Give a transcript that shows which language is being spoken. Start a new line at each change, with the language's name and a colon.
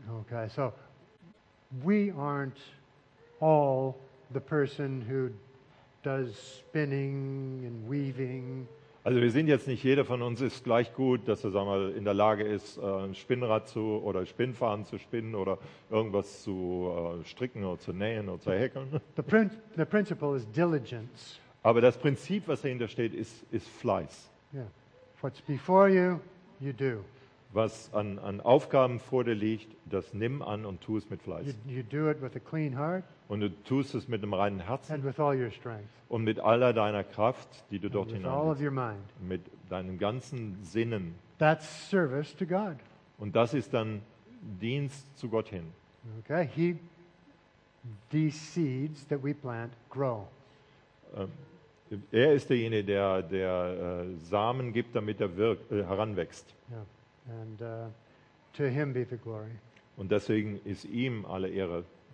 English: Okay, so we aren't all the person who does spinning and weaving.
German: Also wir sind jetzt nicht jeder von uns ist gleich gut, dass er, sagen wir mal, in der Lage ist, ein Spinnrad zu oder Spinnfaden zu spinnen oder irgendwas zu stricken oder zu nähen oder zu häkeln.
English: The principle is diligence.
German: Aber das Prinzip, was dahinter steht, ist Fleiß.
English: Yeah. What's before you, you do.
German: Was an Aufgaben vor dir liegt, das nimm an und tu es mit Fleiß.
English: You do it with a clean heart.
German: Und du tust es mit einem reinen Herzen
English: and with all your strength.
German: Und mit aller deiner Kraft, die du
English: and
German: dort hineinlegst, mit deinen ganzen Sinnen.
English: That's service to God.
German: Und das ist dann Dienst zu Gott hin.
English: Okay, these seeds that we plant grow.
German: Er ist derjenige, der Samen gibt, damit er heranwächst.
English: Yeah. And to him be the glory.
German: Und deswegen ist ihm alle Ehre.